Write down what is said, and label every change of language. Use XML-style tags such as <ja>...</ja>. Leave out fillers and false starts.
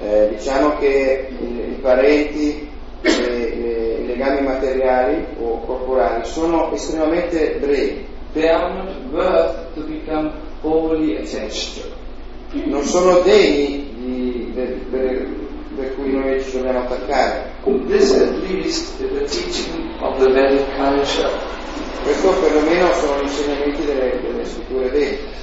<it>Diciamo che i parenti i legami materiali o corporali sono estremamente brevi.</it> <en>They are not worth to become wholly attached.</en> <it>Non sono degni di per cui noi ci dobbiamo attaccare.</it> <en>This at least is the teaching of the Vedic culture.</en> <it>Questo perlomeno sono gli insegnamenti delle scritture vediche.</it>